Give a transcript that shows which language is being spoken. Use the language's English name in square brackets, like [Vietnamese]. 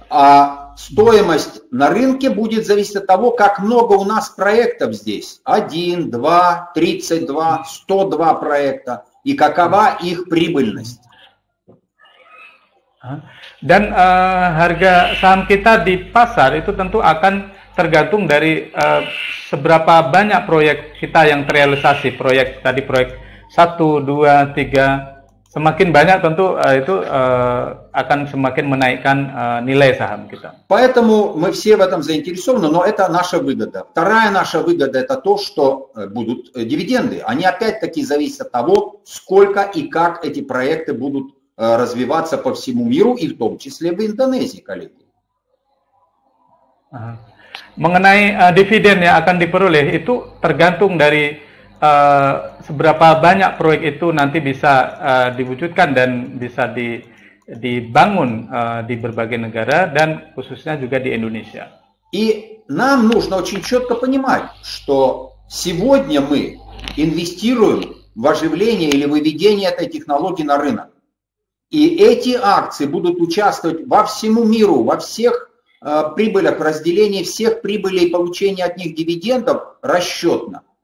[Russian] А стоимость на рынке будет зависеть от того, как много у нас проектов здесь. 1, 2, 32, 102 проекта. И какова их прибыльность. [Indonesian] Dan harga saham kita di pasar itu tentu akan tergantung dari seberapa banyak proyek kita yang terrealisasi. Proyek tadi proyek 1, 2, 3. Semakin banyak tentu itu akan semakin menaikkan nilai saham kita. [Russian] Поэтому мы все в этом заинтересованы, но это наша выгода. Вторая наша выгода это то, что будут дивиденды. Они опять-таки зависят от того, сколько и как эти проекты будут развиваться по всему миру и в том числе в Индонезии, коллеги. [Indonesian] Mengenai dividen yang akan diperoleh itu tergantung dari seberapa banyak proyek itu nanti bisa diwujudkan dan bisa dibangun di berbagai negara dan khususnya juga di Indonesia. [Russian] И нам нужно очень четко понимать, что сегодня мы инвестируем в оживление или выведение этой технологии на рынок. И эти акции будут участвовать во всему миру, во всех прибылях, в разделении всех прибылей и получении от них дивидендов расчетно.